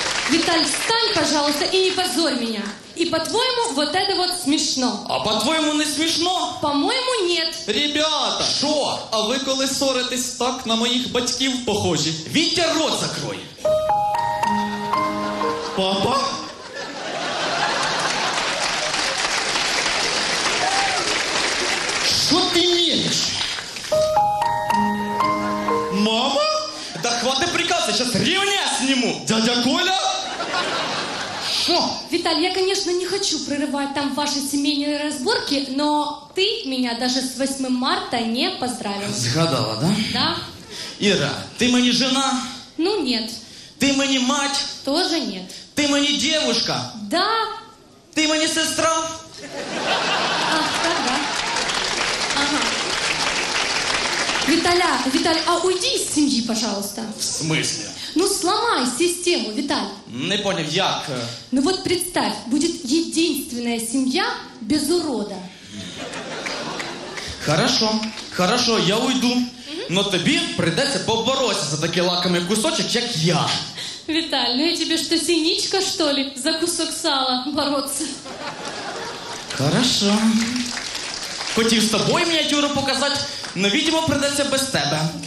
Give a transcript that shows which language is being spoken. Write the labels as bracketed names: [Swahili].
[Russian] Виталь, встань, пожалуйста, и не позорь меня. И по-твоему, вот это вот смешно. А по-твоему, не смешно? По-моему, нет. Ребята, шо? [Ukrainian] А ви коли соритесь так на моїх батьків похожі? [Russian] Вітя рот закрой. Папа? [Ukrainian] Що ти мінеш? [Russian] Мама? Да хвати приказа, щас рівня сніму. Дядя Коля? Шо? Виталь, я, конечно, не хочу прерывать там ваши семейные разборки, но ты меня даже с 8 марта не поздравил. Сгадала, да? Да. Ира, ты мне жена? Ну, нет. Ты мне мать? Тоже нет. Ты мне девушка? Да. Ты мне сестра? Виталя, Виталь, а уйди из семьи, пожалуйста. В смысле? Ну, сломай систему, Виталь. Не понял, как? Ну вот представь, будет единственная семья без урода. Хорошо, хорошо, я уйду. Но тебе придется побороться за такой лакомый кусочек, как я. Виталь, ну я тебе что, синичка, что ли, за кусок сала бороться? Хорошо. [Ukrainian] Хотів з тобою мініатюру показати, але, видимо, придеться без тебе.